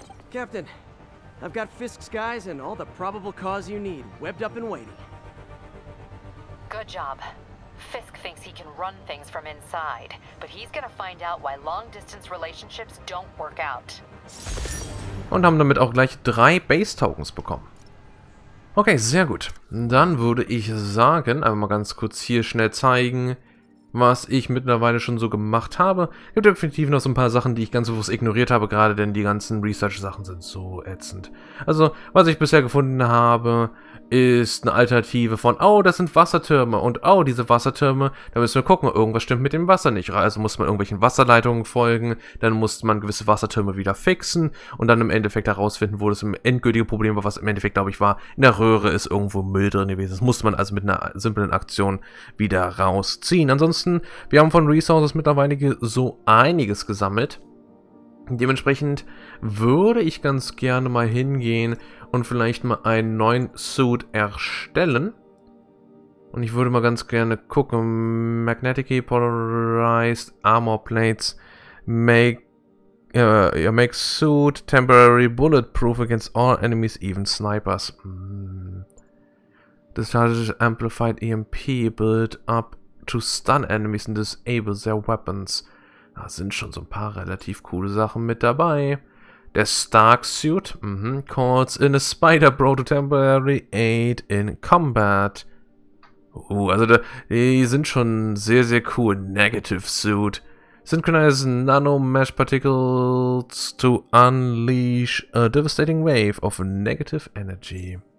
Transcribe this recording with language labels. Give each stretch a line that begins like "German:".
English: Captain, I've got Fisk's guys and all the probable cause you need, webbed up and waiting. Good job. Fisk thinks he can run things from inside, but he's gonna find out why long-distance relationships don't work out.
German: Und haben damit auch gleich 3 Base-Tokens bekommen. Okay, sehr gut. Dann würde ich sagen, einfach mal ganz kurz hier schnell zeigen, was ich mittlerweile schon so gemacht habe. Es gibt definitiv noch so ein paar Sachen, die ich ganz bewusst ignoriert habe, gerade denn die ganzen Research-Sachen sind so ätzend. Also, was ich bisher gefunden habe, ist eine Alternative von, oh, das sind Wassertürme und oh, diese Wassertürme, da müssen wir gucken, irgendwas stimmt mit dem Wasser nicht. Also muss man irgendwelchen Wasserleitungen folgen, dann muss man gewisse Wassertürme wieder fixen und dann im Endeffekt herausfinden, wo das im endgültige Problem war, was im Endeffekt, glaube ich, war, in der Röhre ist irgendwo Müll drin gewesen. Das musste man also mit einer simplen Aktion wieder rausziehen. Ansonsten, wir haben von Resources mittlerweile so einiges gesammelt. Dementsprechend würde ich ganz gerne mal hingehen und vielleicht mal einen neuen Suit erstellen. Und ich würde mal ganz gerne gucken.
English: Magnetically Polarized Armor Plates make suit temporary bulletproof against all enemies, even snipers. Discharges amplified EMP build up to stun enemies and disable their weapons.
German: Da sind schon so ein paar relativ coole Sachen mit dabei. Der Stark Suit
English: calls in a Spider Bro to temporary aid in combat.
German: Also da, die sind schon sehr, sehr cool.
English: Negative Suit. Synchronize Nano Mesh Particles to unleash a devastating wave of negative energy.